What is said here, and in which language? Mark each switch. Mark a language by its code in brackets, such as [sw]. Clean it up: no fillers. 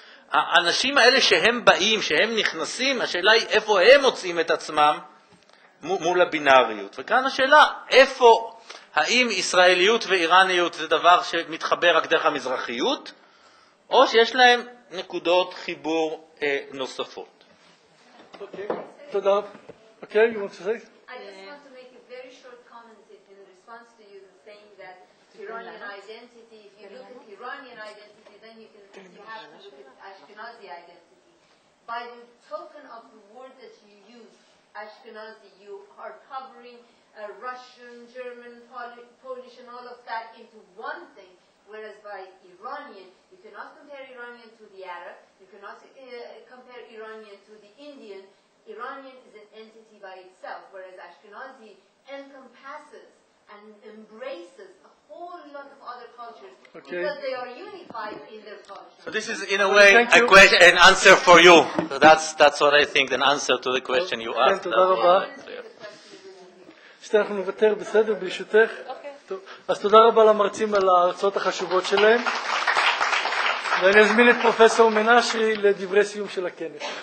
[he] האנשים האלה שהם באים, שהם נכנסים, השאלה היא איפה הם מוצאים את עצמם מול הבינאריות. וכאן השאלה, איפה, האם ישראליות ואיראניות זה דבר שמתחבר רק דרך המזרחיות, או שיש להם נקודות חיבור נוספות. [en] Okay, so now, okay, you want to say? I just want to make a very short comment in response to you saying that Iranian identity, if you look at Iranian identity, then you can you have to look at Ashkenazi identity. By the token of the word that you use, Ashkenazi, you are covering Russian, German, Polish, and all of that into one thing, whereas by Iranian, you cannot compare Iranian to the Arab, you cannot compare Iranian to the Indian. Iranian is an entity by itself, whereas Ashkenazi encompasses and embraces a whole lot of other cultures okay. because they are unified in their culture. So this is, in a way, a question, an answer for you. So that's what I think, an answer to the question you asked. Thank you very much. Thank you. טוב. [he] אז תודה רבה למרצים על ההרצאות החשובות שלהם, ואני אזמין את פרופסור מנשרי לדברי סיום של הכנס.